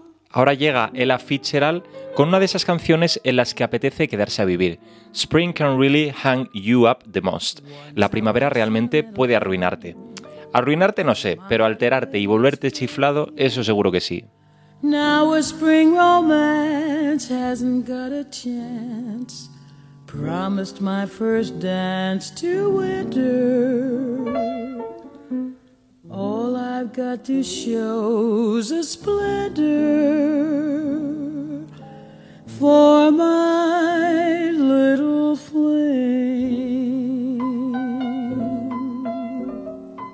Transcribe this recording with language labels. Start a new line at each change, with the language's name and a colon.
Spanish: Ahora llega Ella Fitzgerald con una de esas canciones en las que apetece quedarse a vivir.
English: Spring can really hang you up the most.
Spanish: La primavera realmente puede arruinarte. Arruinarte no sé, pero alterarte y volverte chiflado, eso seguro que sí.
English: Now a spring romance hasn't got a chance. Promised my first dance to winter. All I've got to show's a splendor for my little flame.